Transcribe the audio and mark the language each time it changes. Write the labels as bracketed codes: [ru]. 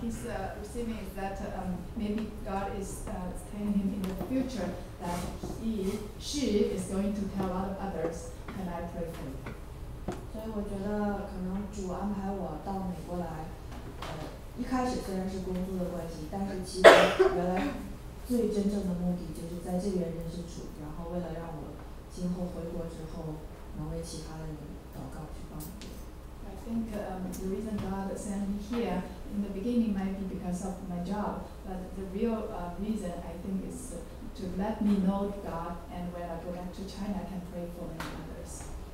[en] He's receiving that maybe God is telling him in the future that she is going to tell a lot of others, "Can I pray for you?" [zh] 所以我觉得可能主安排我到美国来，一开始虽然是工作的关系，但是其实原来最真正的目的就是在这边认识主，然后为了让我今后回国之后能为其他的人祷告去帮助。 [en] I think the reason God sent me here in the beginning might be because of my job, but the real reason I think is to let me know God, and when I go back to China, I can pray for many others.